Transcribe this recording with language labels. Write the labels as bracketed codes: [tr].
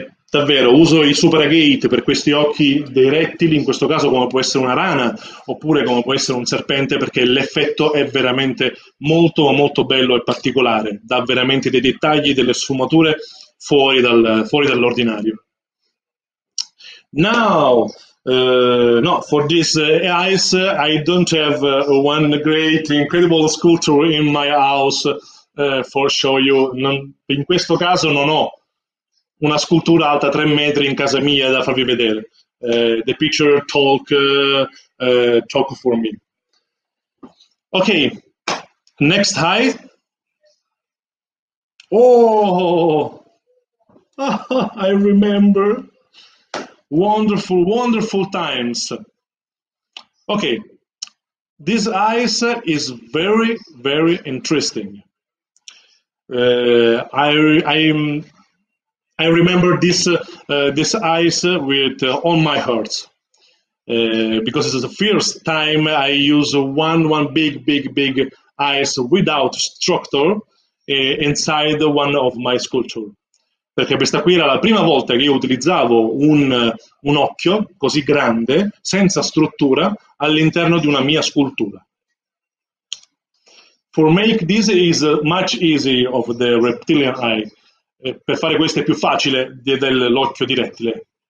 [it] Davvero, uso i superagate per questi occhi dei rettili, in questo caso come può essere una rana, oppure come può essere un serpente, perché l'effetto è veramente molto, molto bello e particolare. Dà veramente dei dettagli, delle sfumature fuori dall'ordinario. [en] Now, no, for this eyes, I don't have one great, incredible sculpture in my house for show you. [it] In questo caso non ho una scultura alta 3 metri in casa mia da farvi vedere. [en] The picture talk for me. Okay, next eye. Oh, I remember. Wonderful, wonderful times. Okay, this eyes is very, very interesting. I remember this eyes with all my heart, because it's the first time I use one big eyes without structure inside one of my sculpture. [it] Perché questa qui era la prima volta che io utilizzavo un occhio così grande, senza struttura, all'interno di una mia scultura. [en] For make this is much easier of the reptilian eye. [it] Per fare questo è più facile dell'occhio di rettile.